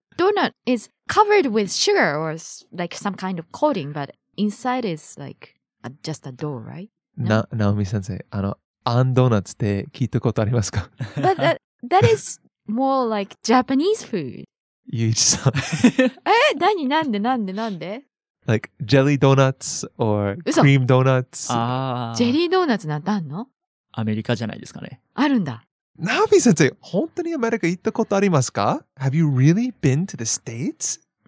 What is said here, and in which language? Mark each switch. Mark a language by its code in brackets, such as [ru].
[en] Donut is covered with sugar or like some kind of coating, but inside is like a, just a dough, right? No? [ja] な、直美先生、あの、あんドーナツって聞いたことありますか？ [en] But that, that is more like Japanese food. [ja] ゆういちさん。え、なになんでなんでなんで？ [en] Like jelly donuts or cream donuts. Ah, [ja] jelly donuts なんてあんの？アメリカじゃないですかね。あるんだ。ナオミ先生、本当にアメリカ行ったことありますか？ [en] Have you really been to the States?